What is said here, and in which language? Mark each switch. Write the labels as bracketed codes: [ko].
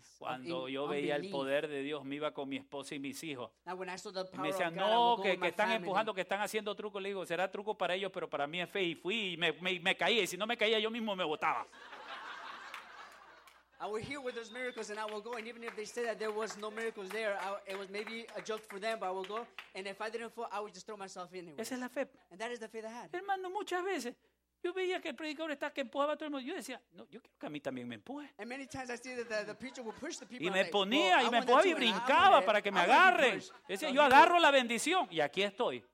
[es] cuando yo veía el poder de Dios, me iba con mi esposa y mis hijos. [en] Now, when I saw the power [es] y me decían, [en] God, [es] no, que están empujando, que están haciendo truco. Le digo, será truco para ellos, pero para mí es fe. Y fui y me caí. Y si no me caía, yo mismo me botaba. [en] I will hear with those miracles and I will go. And even if they say that there was no miracles there, it was maybe a joke for them, but I will go. And if I didn't fall, I would just throw myself in anyway. [es] Esa es la fe. [en] And that is the faith I had. [es] Hermano, muchas veces. Yo veía que el predicador estaba que empujaba a todo el mundo. Yo decía, no, yo quiero que a mí también me empuje. [en] And many times I see that the preacher will push the people. [es] Y me ponía y me empujaba y brincaba para que me agarren. Decía, yo agarro la bendición y aquí estoy.